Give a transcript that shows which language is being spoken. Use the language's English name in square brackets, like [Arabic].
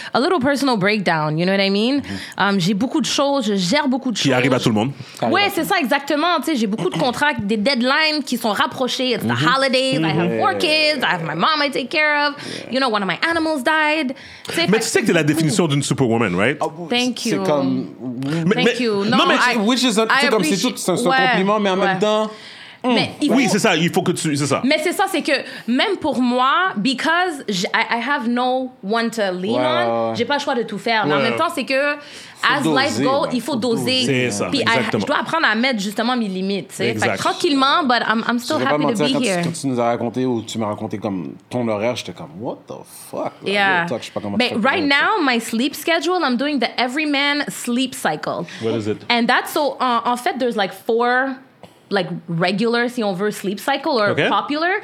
[English] A little personal breakdown, you know what I mean? [French] J'ai beaucoup de choses, je gère beaucoup de choses. Qui arrive à tout le monde. Ouais, c'est ça, exactement. Tu sais, j'ai beaucoup de contrats, des deadlines qui sont rapprochés. [English] It's the holidays, I have four kids, I have my mom I take care of. You know, one of my animals died. [French] T'sais, mais tu sais que t'es la définition d'une superwoman, right? [English] Thank you. [French] C'est comme... [English] Thank you. [French] Non, mais c'est tout, c'est un compliment, mais en même temps... Oui, c'est ça, il faut que tu... C'est ça. Mais c'est ça, c'est que même pour moi, [English] because I have no one to lean on, [French] j'ai pas le choix de tout faire. Mais en même temps, c'est que... Il faut doser. C'est ça, exactement. Je dois apprendre à mettre justement mes limites. Fait, tranquillement, [English] but I'm still happy to be here. [French] Quand tu nous as raconté ou tu m'as raconté comme ton horaire, j'étais comme, [English] what the fuck? [French] Là, yeah. [English] Right now, my sleep schedule, I'm doing the everyman sleep cycle. What is it? And that's so, [French] en fait, [English] there's like four... like regular, [French] si on veut, [English] sleep cycle or popular.